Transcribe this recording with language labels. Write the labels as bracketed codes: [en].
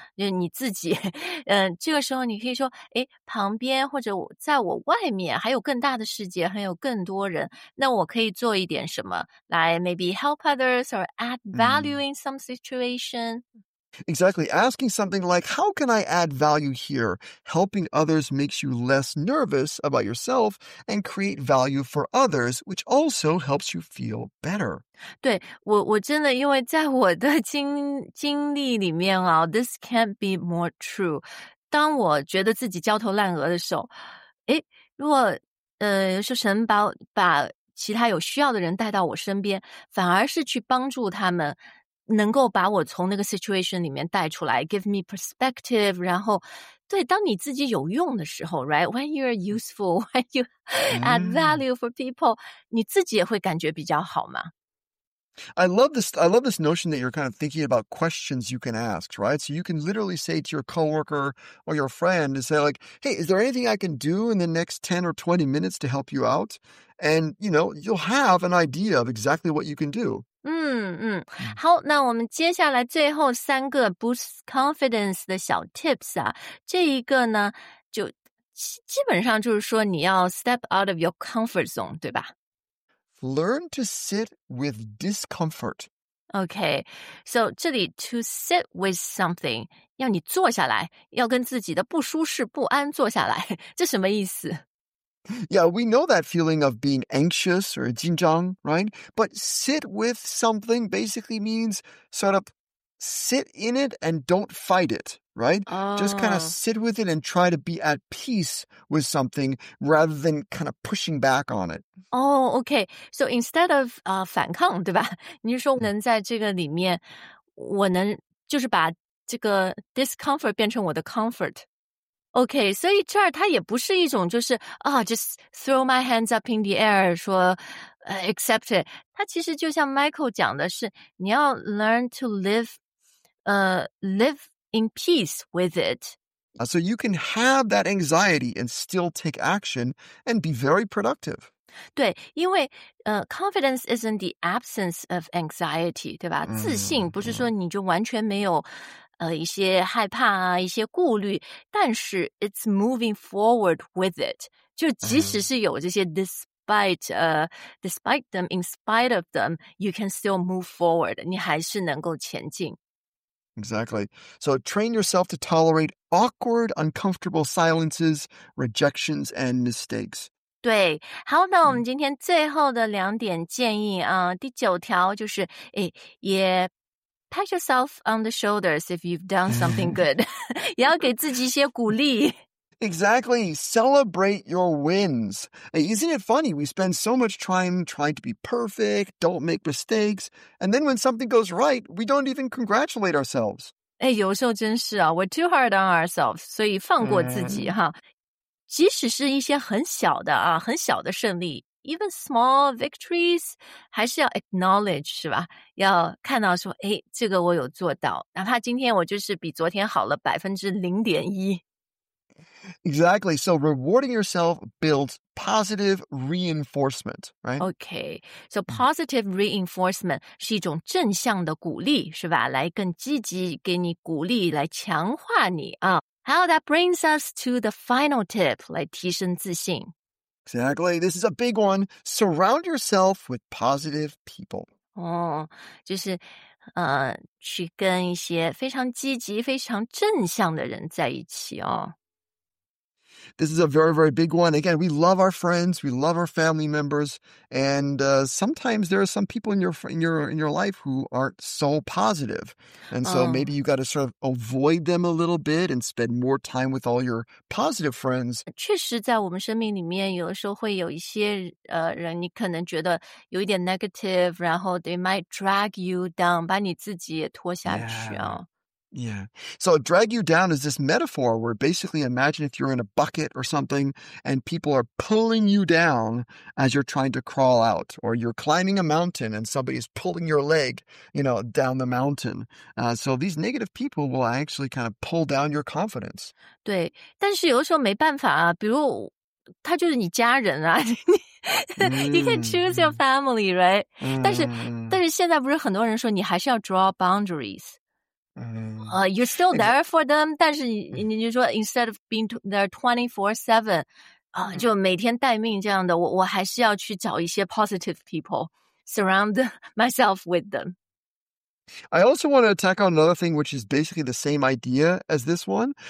[zh] 就你自己，这个时候你可以说，哎，旁边或者在我外面还有更大的世界，还有更多人，那我可以做一点什么来 [en] maybe help others or add value in some situation. Exactly. Asking something like, how can I add value here? Helping others makes you less nervous about yourself and create value for others, which also helps you feel better. [zh] 对，我真的因为在我的经历里面啊， [en] this can't be more true. [zh] 当我觉得自己焦头烂额的时候，诶，如果是神把其他有需要的人带到我身边，反而是去帮助他们，能够把我从那个 situation 里面带出来， [en] give me perspective, [zh] 然后对，当你自己有用的时候， right? [en] When you're useful, when you add value for people, [zh] 你自己也会感觉比较好嘛。 [en] I love this notion that you're kind of thinking about questions you can ask, right? So you can literally say to your coworker or your friend and say like, hey, is there anything I can do in the next 10 or 20 minutes to help you out? And, you know, you'll have an idea of exactly what you can do. [zh] 好，那我们接下来最后三个 boost confidence 的小 tips 啊，这一个呢，就基本上就是说你要 [en] step out of your comfort zone, [zh] 对吧？ [en] Learn to sit with discomfort. Okay, so [zh] 这里 [en] to sit with something, [zh] 要你坐下来，要跟自己的不舒适、不安坐下来，这什么意思？ [en] Yeah, we know that feeling of being anxious or [zh] 紧张, [en] right? But sit with something basically means sort of sit in it and don't fight it, right? Oh. Just kind of sit with it and try to be at peace with something rather than kind of pushing back on it. Oh, okay. So instead of [zh] 反抗,对吧? 你说能在这个里面,我能就是把这个 discomfort 变成我的 comfort。 [en] Okay, [zh] 所以这儿它也不是一种就是啊、 [en] oh, just throw my hands up in the air, 说、accept it. [zh] 它其实就像 [en] Michael [zh] 讲的是你要 [en] learn to live in peace with it. So you can have that anxiety and still take action and be very productive. [zh] 对，因为 [en] confidence isn't the absence of anxiety, [zh] 对吧、 [en] mm-hmm. [zh] 自信不是说你就完全没有一些害怕啊，一些顾虑，但是 [en] it's moving forward with it. [zh] 就即使是有这些 [en] despite them, in spite of them, you can still move forward. [zh] 你还是能够前进。 [en] Exactly. So train yourself to tolerate awkward, uncomfortable silences, rejections, and mistakes. [zh] 对，好，那我们今天最后的两点建议啊，第九条就是，哎，也。 [en] Pat yourself on the shoulders if you've done something good. [zh] 也要给自己一些鼓励。 [en] Exactly. Celebrate your wins. Hey, isn't it funny? We spend so much time trying to be perfect, don't make mistakes, and then when something goes right, we don't even congratulate ourselves. [zh] 哎，有时候真是啊， [en] we're too hard on ourselves, [zh] 所以放过自己哈。即使是一些很小的啊，很小的胜利。 [en] Even small victories, [zh] 还是要 [en] acknowledge, 是吧？ [zh] 要看到说，哎，这个我有做到，哪怕今天我就是比昨天好了0.1%。 [en] Exactly. So rewarding yourself builds positive reinforcement, right? Okay. So positive reinforcement [zh] 是一种正向的鼓励，是吧？来更积极给你鼓励，来强化你啊。 [en] 好， that brings us to the final tip, [zh] 来提升自信。 [en] Exactly. This is a big one. Surround yourself with positive people. [zh] 哦，就是去跟一些非常积极、非常正向的人在一起哦。 [en] This is a very, very big one. Again, we love our friends, we love our family members, and sometimes there are some people in your life who aren't so positive. And so maybe you got to sort of avoid them a little bit and spend more time with all your positive friends. [zh] 确实在我们生命里面有的时候会有一些人你可能觉得有一点 negative, 然后 [en] they might drag you down, [zh] 把你自己也拖下去啊。 [en] Yeah. So drag you down is this metaphor where basically imagine if you're in a bucket or something and people are pulling you down as you're trying to crawl out, or you're climbing a mountain and somebody's pulling your leg, you know, down the mountain. So these negative people will actually kind of pull down your confidence. [zh] 对，但是有时候没办法啊，比如他就是你家人啊。 [en] You can choose your family, right? [zh] 但是现在不是很多人说你还是要 [en] draw boundaries。 You're still there for them, [zh] 但是你说 [en] instead of being there 24/7, [zh] 就每天待命这样的，我还是要去找一些 [en] positive people, surround myself with them. I also want to tack on another thing, which is basically the same idea as this one.